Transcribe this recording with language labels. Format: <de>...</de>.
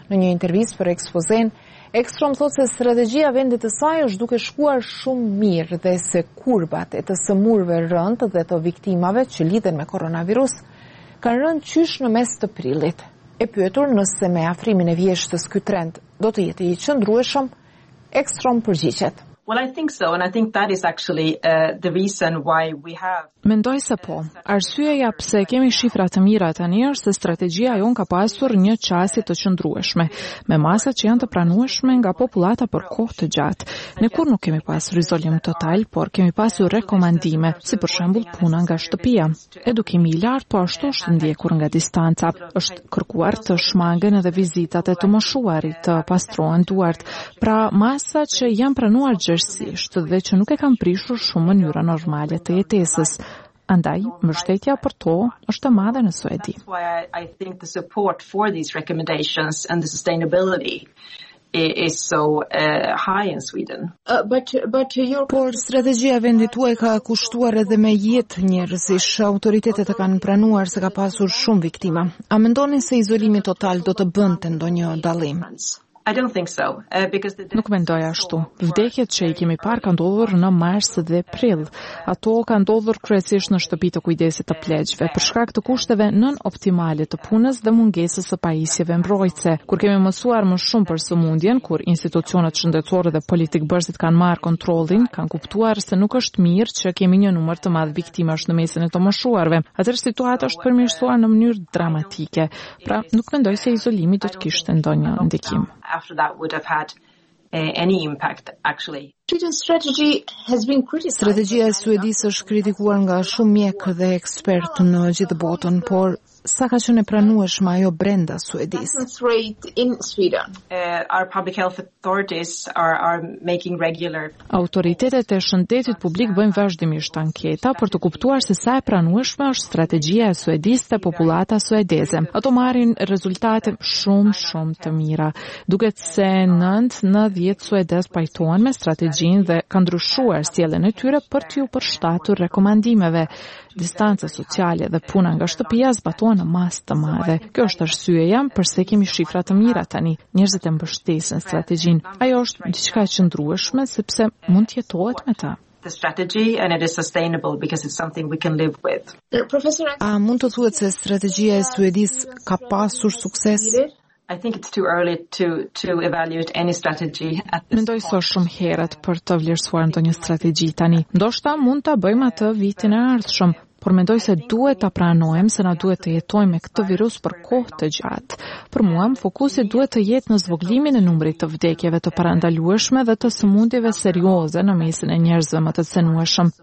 <sq>Në një intervistë për Ekspozen, Ekstrom thotë se strategjia vendit të saj është duke shkuar shumë mirë dhe se kurbat e të sëmurve rënd dhe të viktimave që lidhen me koronavirus kanë rënd qysh në mes të prillit. E pyetur nëse me afrimin e vjeshtës ky trend do të jetë i qëndrueshëm, Ekstrom përgjigjet.</sq> <en>Well, I think so, and I think that is actually the reason why we have...</en> <sq>Mendoj se po. Arsyeja pse kemi shifra të mira tani është se strategjia jon ka pasur një qasje të qëndrueshme, me masat që janë të pranueshme nga popullata për kohë të gjatë. Ne kur nuk kemi pasur izolim total, por kemi pasur rekomandime, si për shembull puna nga shtëpia. Edukimi i lartë po ashtu është ndjekur nga distanca, është kërkuar të shmangen edhe vizitat e të moshuarit, të pastrohen duart. Pra masa që janë pranuar gjerësisht dhe që nuk e kanë prishur shumë mënyra normale të jetesës. Andaj, mbështetja për to është e madhe në Suedi.</sq> <en>I think the support for these recommendations and the sustainability is so high in Sweden.</en> <sq>Por strategjia vendit tuaj ka kushtuar edhe me jetë njerëzish. Autoritetet e kanë pranuar se ka pasur shumë viktima. A mendoni se izolimi total do të bënte ndonjë dallim?</sq> <en>I don't think so, because the...</en> <sq>Nuk mendoj ashtu. Vdekjet që i kemi parë kanë ndodhur në mars dhe prill. Ato kanë ndodhur kryesisht në shtëpitë kujdesit të pleqve, për shkak të kushteve nën optimale të punës dhe mungesës së pajisjeve mbrojtëse. Kur kemi mësuar më shumë për sëmundjen, kur institucionet shëndetësore dhe politikbërësit kanë marrë kontrollin, kanë kuptuar se nuk është mirë që kemi një numër të madh viktimash në mesin e të moshuarve. Atëherë situata është përmirësuar në mënyrë dramatike. Pra, nuk mendoj se izolimi do të kishte ndonjë ndikim.</sq> <en>After that would have had any impact actually.</en> <sq>Strategjia e Suedisë është kritikuar nga shumë mjekë dhe ekspertë në gjithë botën, por sa ka qenë e pranueshme ajo brenda Suedisë?</sq> <en>Our public health authorities are making regular...</en> <sq>Autoritetet e shëndetit publik bëjnë vazhdimisht anketa për të kuptuar se sa e pranueshme është strategjia e Suedisë te popullata suedeze. Ato marrin rezultate shumë të mira. Duket se 9-10 suedez pajtohen me strategji përgjinë dhe kanë ndryshuar sjelljen e tyre për t'u përshtatur rekomandimeve. Distanca sociale dhe puna nga shtëpia zbatohen në mas të madhe. Kjo është arsyeja pse kemi shifra të mira tani. Njerëzit e mbështesin strategjinë. Ajo është diçka e qëndrueshme sepse mund të jetohet me ta.</sq> <en>The strategy and it is sustainable because it's something we can live with.</en> <sq>Professor, a mund të thuhet se strategjia e Suedisë ka pasur sukses?</sq> <en>I think it's too early to evaluate any strategy at this point.</en> <sq>Mendoj sot shumë herët për të vlerësuar ndonjë strategji tani. Ndoshta mund ta bëjmë atë vitin e ardhshëm, por mendoj se duhet ta pranojmë se na duhet të jetojmë me këtë virus për kohë të gjatë. Për mua, fokusi duhet të jetë në zvoglimin e numrit të vdekjeve të parandalueshme dhe të sëmundjeve serioze në mesin e njerëzve më të cenueshëm.</sq>